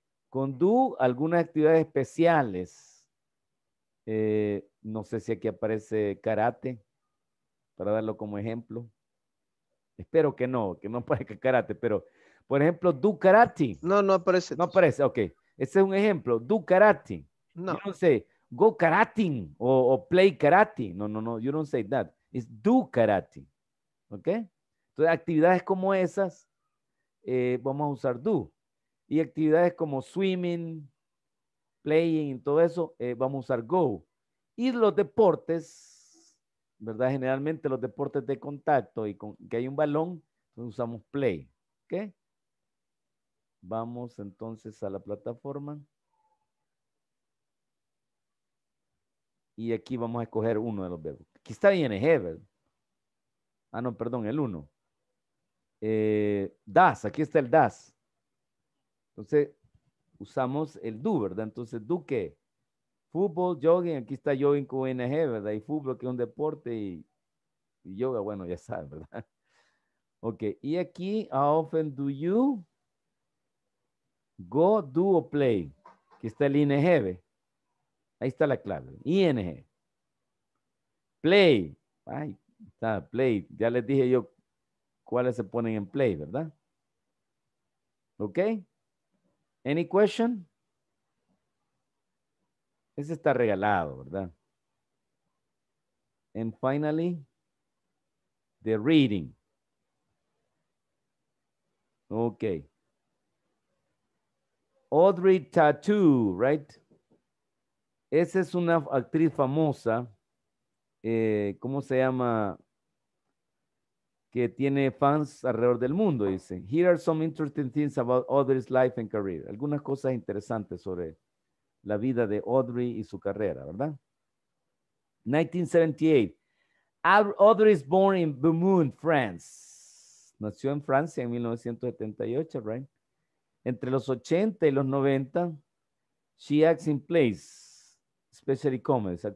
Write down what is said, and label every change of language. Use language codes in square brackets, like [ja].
[es] Con do, algunas actividades especiales. No sé si aquí aparece karate, para darlo como ejemplo. Espero que no aparezca karate, pero, por ejemplo, do karate. No aparece. No aparece, ok. Ese es un ejemplo, do karate. No. [en] You don't say go karate o play karate. No, you don't say that. It's do karate, ok. [es] Entonces, actividades como esas, vamos a usar do. Y actividades como swimming, playing y todo eso, vamos a usar go. Y los deportes, ¿verdad? Generalmente los deportes de contacto y con que hay un balón, usamos play. ¿Ok? Vamos entonces a la plataforma. Y aquí vamos a escoger uno de los verbos. Aquí está ING, ¿verdad? Ah, no, perdón, el uno. Das, aquí está el das. Entonces, usamos el do, ¿verdad? Entonces, ¿do qué? fútbol, jogging, aquí está jogging con ONG, ¿verdad? Y fútbol, que es un deporte, y yoga, bueno, ya saben, ¿verdad? [en] Ok, [es] y aquí, [en] how often do you go, do, or play? [es] Aquí está el ING, ahí está la clave, ING. Play, ay, está, play, ya les dije yo cuáles se ponen en play, ¿verdad? [en] Ok, any question? [es] Ese está regalado, ¿verdad? [en] And finally, the reading. Okay. [es] Audrey Tautou, right? Esa es una actriz famosa. ¿Cómo se llama? Que tiene fans alrededor del mundo, dice. [en] Here are some interesting things about Audrey's life and career. [es] Algunas cosas interesantes sobre la vida de Audrey y su carrera, ¿verdad? [en] 1978. Audrey is born in Beaumont, France. [es] Nació en Francia en 1978, right? Entre los 80 y los 90, [en] she acts in plays, especially comedies.